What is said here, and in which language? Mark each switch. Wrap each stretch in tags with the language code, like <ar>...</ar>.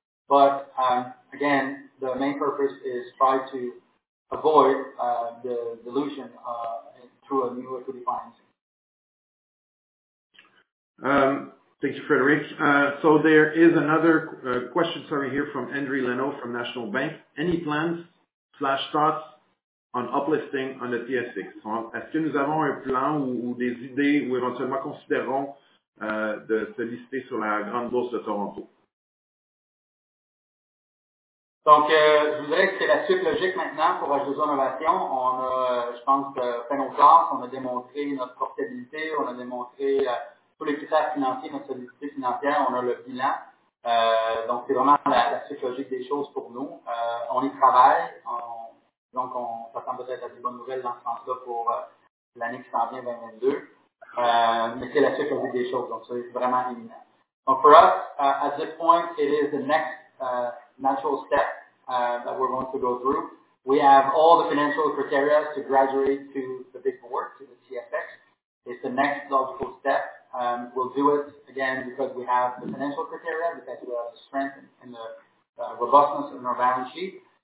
<en>But again, the main purpose is try to avoid the dilution through a new equity financing. Thank you, Frederick. So there is another question, here from Andrew Leno from National Bank. Any plans / thoughts on uplisting on the TSX?</en> <fr>Est-ce que nous avons un plan ou des idées ou éventuellement considérons de se lister sur la grande bourse de Toronto? Donc, je vous dirais que c'est la suite logique maintenant pour H2O Innovation. On a, je pense, fait nos classes, on a démontré notre portabilité, on a démontré tous les critères financiers, notre solidité financière, on a le bilan. Donc, c'est vraiment la suite logique des choses pour nous. On y travaille. On s'attend peut-être à des bonnes nouvelles dans ce sens-là pour l'année qui s'en vient, 2022. Mais c'est la suite logique des choses. Donc, ça, c'est vraiment imminent. Donc, pour nous,</fr> <en>at this point, it is the next natural step that we're going to go through. We have all the financial criteria to graduate to the big board, to the TSX. It's the next logical step. We'll do it, again, because we have the financial criteria, because we have the strength and the robustness in our balance sheet.</en>